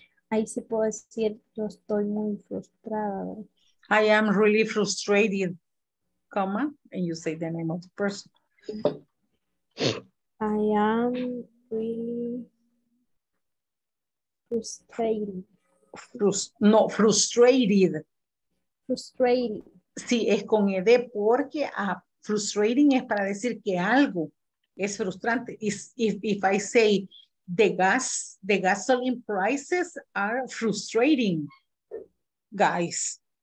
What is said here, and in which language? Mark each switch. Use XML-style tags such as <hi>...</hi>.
<es>Ahí se puede decir, yo estoy muy frustrada.</es> <en>I am really frustrated, comma, and you say the name of the person. I am really frustrated. Frustrated.</en> <es>Sí, es con ED porque frustrating es para decir que algo es frustrante.</es> <en>If I say the gasoline prices are frustrating, guys.</en>